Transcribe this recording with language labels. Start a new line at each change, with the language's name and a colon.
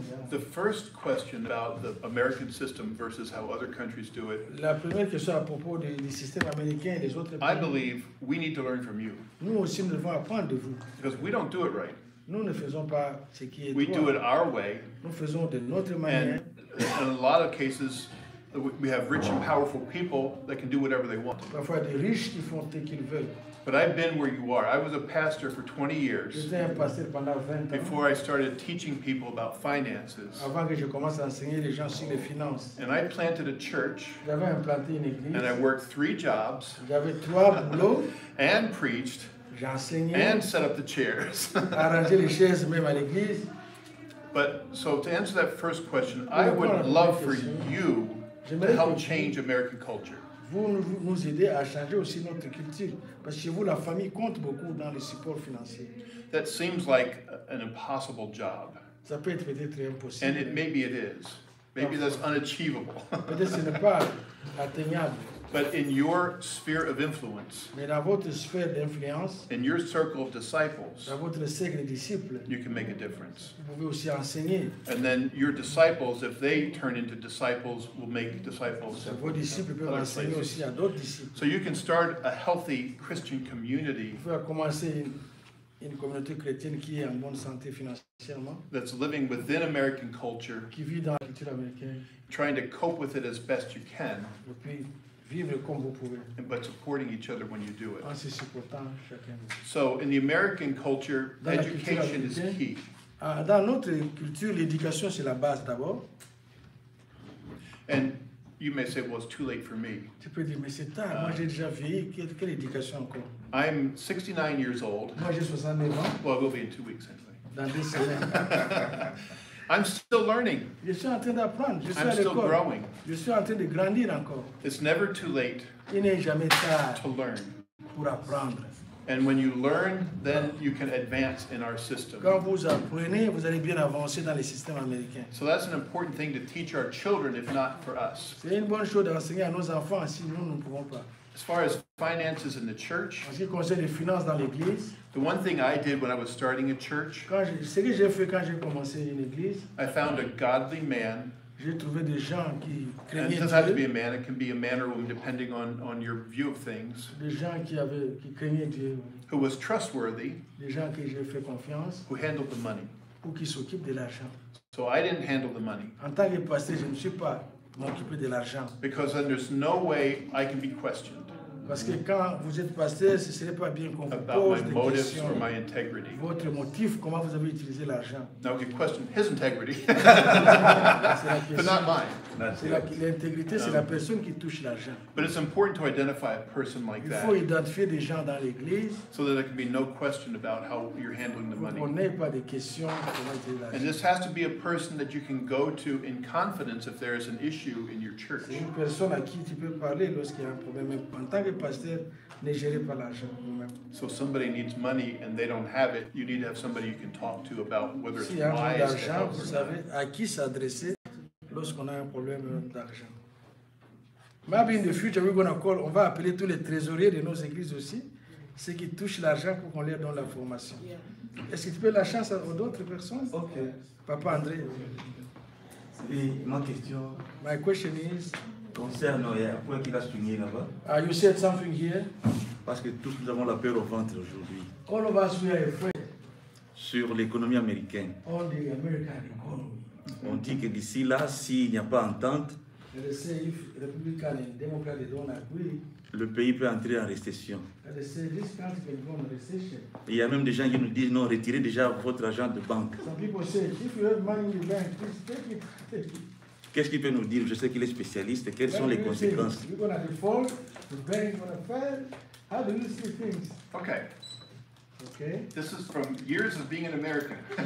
English: The first question about the American system versus how other countries do it.
French: La première question à propos du système américain et des autres pays.
English: I believe we need to learn from you.
French: Nous aussi nous devons apprendre de vous.
English: Because we don't do it right.
French: Nous ne faisons pas ce qui est droit.
English: We do it our way.
French: Nous faisons de notre manière.
English: And in a lot of cases, we have rich and powerful people that can do whatever they want.
French: Parfois des riches qui font ce qu'ils veulent.
English: But I've been where you are. I was a pastor for 20 years before I started teaching people about finances.
French: Avant que je commence à enseigner les gens sur les finances.
English: And I planted a church.
French: J'avais implanté une église.
English: And I worked three jobs.
French: J'avais trois boulots.
English: And preached.
French: J'enseignais.
English: And set up the chairs.
French: Arrangé les chaises même à l'église.
English: But so to answer that first question, I would love for you to help change American culture.
French: Vous nous aider à changer aussi notre culture parce que vous la famille compte beaucoup dans le support financier.
English: That seems like an impossible job.
French: Ça peut être peut-être impossible.
English: And it, maybe it is. Maybe that's unachievable.
French: Peut-être ce n'est pas atteignable.
English: But in your sphere of influence,
French: mais dans votre sphère d'influence,
English: in your circle of disciples,
French: dans votre cercle de disciples,
English: you can make a difference.
French: Vous pouvez aussi enseigner.
English: And then your disciples, if they turn into disciples, will make disciples.
French: Vos disciples peuvent enseigner aussi à d'autres disciples.
English: So you can start a healthy Christian community.
French: Vous pouvez commencer une communauté chrétienne qui est en bonne santé financièrement.
English: That's living within American culture.
French: Qui vit dans la culture américaine.
English: Trying to cope with it as best you can.
French: Vivre comme vous pouvez.
English: And, but supporting each other when you do it.
French: En se supportant chacun.
English: So in the American culture,
French: dans
English: education
French: la culture américaine,
English: is key.
French: Dans notre culture, l'éducation c'est la base d'abord.
English: And you may say, well, it's too late for me.
French: Tu peux dire, mais c'est tard. Moi, j'ai déjà vieilli. Quelle éducation encore?
English: I'm 69 years old.
French: Moi, j'ai 69 ans.
English: Well, we'll be in 2 weeks anyway.
French: Dans 2 semaines.
English: I'm still learning.
French: Je suis en train d'apprendre. Je suis
English: I'm still
French: l'école.
English: Growing.
French: Je suis en train de grandir encore.
English: It's never too late.
French: Il n'est jamais tard
English: to learn.
French: Pour apprendre.
English: And when you learn, then you can advance in our system.
French: Quand vous apprenez, vous allez bien avancer dans les systèmes américains.
English: So that's an important thing to teach our children, if not for us.
French: C'est une bonne chose d'enseigner à nos enfants si nous ne pouvons pas.
English: As far as finances in the church,
French: en ce qui concerne les finances dans l'église,
English: the one thing I did when I was starting a church,
French: ce que j'ai fait quand j'ai commencé une église,
English: I found a godly man.
French: J'ai trouvé des gens qui craignaient Dieu.
English: It doesn't have to be a man, it can be a man or woman, depending on your view of things.
French: Des gens qui craignaient Dieu.
English: Who was trustworthy.
French: Des gens qui j'ai fait confiance.
English: Who handled the money.
French: Ou qui s'occupe de l'argent.
English: So I didn't handle the money.
French: En tant que pasteur, je ne suis pas m'occuper de l'argent.
English: Because then there's no way I can be questioned.
French: Parce que quand vous êtes pasteur, ce serait pas bien qu'on vous pose des questions. Votre motif, comment vous avez utilisé l'argent?
English: Now you question his integrity, but not mine.
French: L'intégrité, c'est la personne qui touche l'argent.
English: But it's important to identify a person like
French: il
English: that.
French: Il faut identifier des gens dans l'église.
English: So that there can be no question about how you're handling the money.
French: On n'ait pas de questions sur comment utiliser l'argent.
English: And this has to be a person that you can go to in confidence if there is an issue in your church.
French: C'est une personne à qui tu peux parler lorsqu'il y a un problème. Pasteur ne gère pas l'argent lui-même.
English: So somebody needs money and they don't have it, you need to have somebody you can talk to about whether it's wise to help them.
French: Si un problème d'argent, vous savez à qui s'adresser lorsqu'on a un problème d'argent.
English: Maybe in the future we're going to call,
French: on va appeler tous les trésoriers de nos églises aussi, ceux qui touchent l'argent pour qu'on leur donne la formation. Yeah. Est-ce que tu peux la chance à d'autres personnes? Ok. Papa André. Oui, ma question.
English: My question is,
French: concernant, il y a un point qu'il a souligné là-bas.
English: Ah, you said something here?
French: Parce que tous nous avons la peur au ventre aujourd'hui.
English: All of us, we are afraid.
French: Sur l'économie américaine.
English: On the American economy.
French: On dit que d'ici là, s'il n'y a pas entente,
English: they say if Republican and Democrat don't agree,
French: le pays peut entrer en récession.
English: They say this country can go in recession.
French: Il y a même des gens qui nous disent non, retirez déjà votre argent de banque.
English: Some people say, if you have money in the bank, please take it.
French: Qu'est-ce qu'il peut nous dire? Je sais qu'il est spécialiste. Quelles sont les conséquences?
English: You're going to default, the bank is going to fail. How do you see things? Okay. Okay. This is from years of being an American.